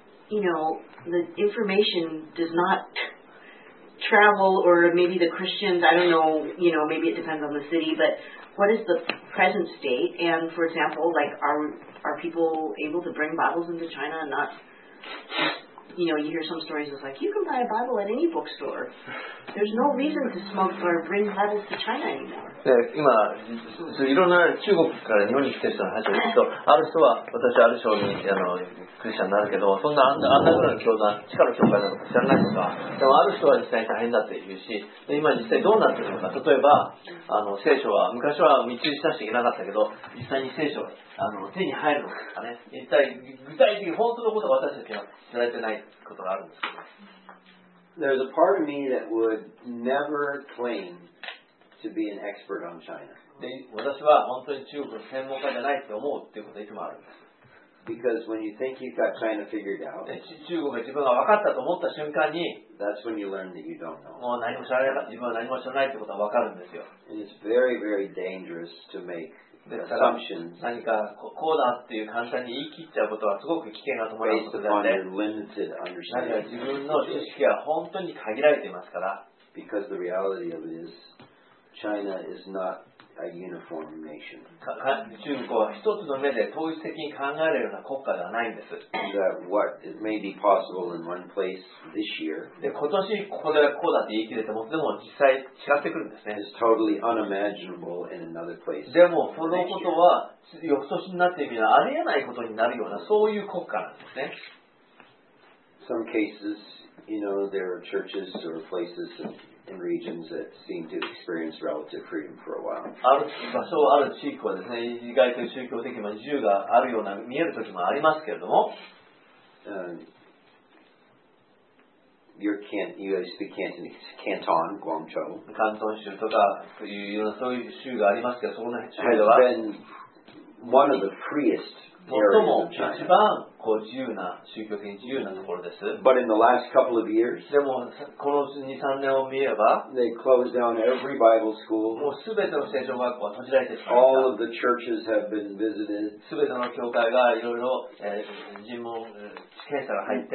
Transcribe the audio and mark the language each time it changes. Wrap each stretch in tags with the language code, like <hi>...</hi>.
<en>You know, the information does not travel, or maybe the Christians, I don't know, you know, maybe it depends on the city, but what is the present state? And, for example, like, Are people able to bring Bibles into China and not, you know, you hear some stories, it's like, you can buy a Bible at any bookstore. There's no reason to smoke or bring Bibles to China anymore.</en> <ja>今、いろんな中国から日本に来てる人の話を聞くと、ある人は、私はある人にクリスチャンになるけど、そんなあんなぐらいの教団、地下の教会だとか知らないとか、でもある人は実際に大変だって言うし、で今実際どうなってるのか、例えば、聖書は、昔は密輸しなくちゃいけなかったけど、実際に聖書は、手に入るのかね、一体具体的に本当のことは私たちは知られてないことがあるんですけど。</ja> <en>There's a part of me that would never claim to be an expert on China.</en> <ja>で、私は本当に中国の専門家じゃないって思うっていうことはいつもあるんです。</ja> <en>Because when you think you've got China figured out,</en> <ja>中国が自分が分かったと思った瞬間に、</ja> <en>that's when you learn that you don't know.</en> <ja>もう何も知らない、自分は何も知らないってことは分かるんですよ。</ja> <en>And it's very, very dangerous to make assumptions.</en> <ja>何かこうだっていう簡単に言い切っちゃうことはすごく危険なと思いますので、</ja> <en>based upon your limited understanding.</en> <ja>何か自分の知識は本当に限られていますから。</ja> <en>Because the reality of it is, China is not. A uniform nation.</en> <ja>中国は一つの目で統一的に考えるような国家ではないんです。</ja> <en>What it may be possible in one place this year.</en> <ja>で今年ここでこうだって言い切れても、でも実際違ってくるんですね。</ja> <en>Is totally unimaginable in another place.</en> <ja>でもそのことは翌年になってみるとありえないことになるようなそういう国家なんですね。</ja> <en>Some cases, you know, there are churches or places that in regions that seem to experience relative freedom for a while.</en> <ja>ある場所ある地域はですね、意外と宗教的に自由があるような見える時もありますけれども。</ja> <en>You guys speak Cantonese, Canton, Guangzhou.</en> <ja>広東州とかいうそういう州がありますけど、その州では</ja> <en>。Has been one of the freest areas of China.</en> <ja>最も一番こう自由な宗教的に自由なところです。</ja> <en>But in the last couple of years,</en> <ja>でもこの2、3年を見れば、</ja> <en>they closed down every Bible school.</en> <ja>もうすべての聖書学校は閉じられてしまった。</ja> <en>All of the churches have been visited.</en> <ja>すべての教会がいろいろ尋問検査が入って。</ja>